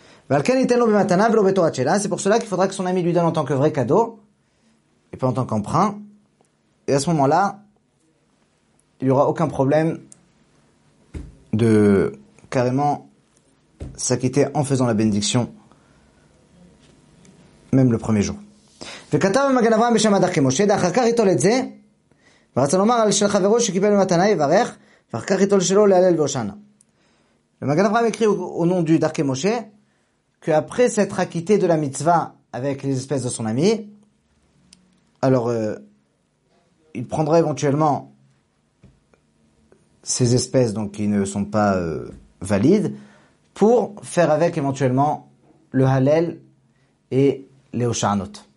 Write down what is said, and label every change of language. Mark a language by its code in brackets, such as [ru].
[fr] C'est pour cela qu'il faudra que son ami lui donne en tant que vrai cadeau et pas en tant qu'emprunt. Et à ce moment-là, il n'y aura aucun problème de carrément s'acquitter en faisant la bénédiction même le premier jour. [he] וכתב במגן אברהם בשם הדרכי משה, ואחר כך ייטול את זה, ורצה לומר על של חברו שקיבל מתנה יברך, ואחר כך ייטול שלו להלל והושענא. [fr] ומגן אברהם הקריא au nom du דרכי משה, qu'après s'être acquitté de la mitzvah avec les espèces de son ami, alors il prendra éventuellement ces espèces donc, qui ne sont pas valides pour faire avec éventuellement le Halel et les Hoshanot.